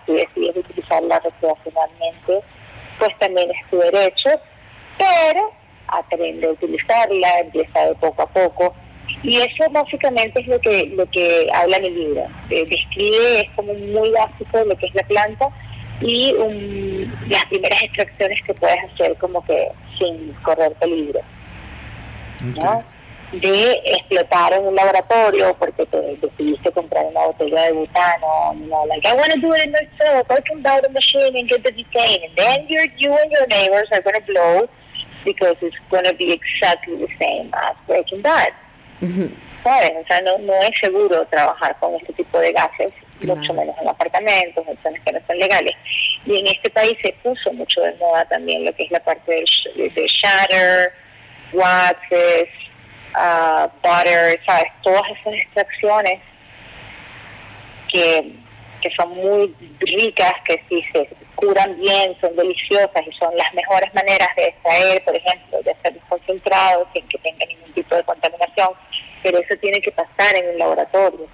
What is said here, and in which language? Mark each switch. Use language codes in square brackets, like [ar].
[es] Si decides utilizarla recreacionalmente, pues también es tu derecho, pero aprende a utilizarla, empieza de poco a poco. Y eso básicamente es lo que habla mi libro. Describe, es como muy básico lo que es la planta y las primeras extracciones que puedes hacer como que sin correr peligro, okay. ¿No? De explotar en un laboratorio porque te decidiste comprar una botella de butano, [en] you know, like, I want to do it in myself, I can buy the machine and get the butane, and then you and your neighbors are going to blow because it's going to be exactly the same as Breaking Bad. [es] ¿Sabes? O sea, no es seguro trabajar con este tipo de gases, claro. Mucho menos en apartamentos, en zonas que no son legales. Y en este país se puso mucho de moda también lo que es la parte de shatter, waxes, butter, ¿sabes? Todas esas extracciones que son muy ricas, que si se curan bien, son deliciosas y son las mejores maneras de extraer, por ejemplo, de hacer un concentrado sin que tenga ningún tipo de contaminación, pero eso tiene que pasar en un laboratorio.